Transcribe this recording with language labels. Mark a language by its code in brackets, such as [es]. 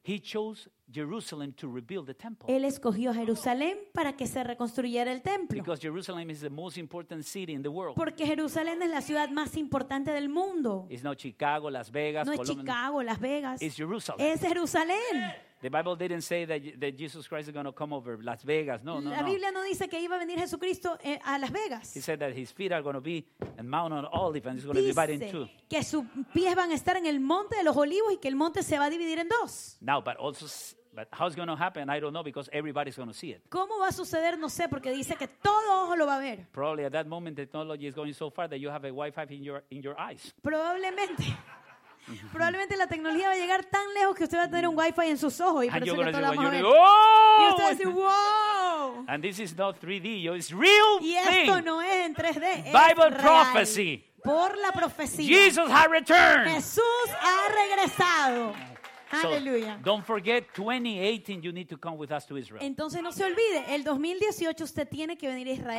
[en] He chose Jerusalem to rebuild the temple. [es] Él escogió Jerusalén para que se reconstruyera el templo. [en] Because Jerusalem is the most important city in the world. [es] Porque Jerusalén es la ciudad más importante del mundo. [en] It's not Chicago, Las Vegas, [es] no es Chicago, Las Vegas. [en] It's Jerusalem. [es] Es Jerusalén. [en] The Bible didn't say that Jesus Christ is going to come over Las Vegas. [es] No, no, no. La Biblia no dice que iba a venir Jesucristo a Las Vegas. [en] He said that his feet are going to be in Mount of Olives and it's going to divide in two. [es] Dice que sus pies van a estar en el Monte de los Olivos y que el monte se va a dividir en dos. [en] Now, but how's going to happen? I don't know because everybody's going to see it. [es] ¿Cómo va a suceder? No sé, porque dice que todo ojo lo va a ver. [en] Probably at that moment technology is going so far that you have a Wi-Fi in your eyes. [es] Probablemente. Probablemente la tecnología va a llegar tan lejos que usted va a tener un Wi-Fi en sus ojos y parece que todo lo vamos a ver. Oh! Y usted va a decir, wow. [en] And this is not 3D, it's real thing. [es] Y esto [en] thing. [es] No es en 3D, es [en] Bible [es] real. [en] Prophecy. [es] Por la profecía. [en] Jesus has returned. [es] Jesús ha regresado. Hallelujah. [en] So, don't forget, 2018, you need to come with us to Israel. [es] Entonces no se olvide, el 2018 usted tiene que venir a Israel.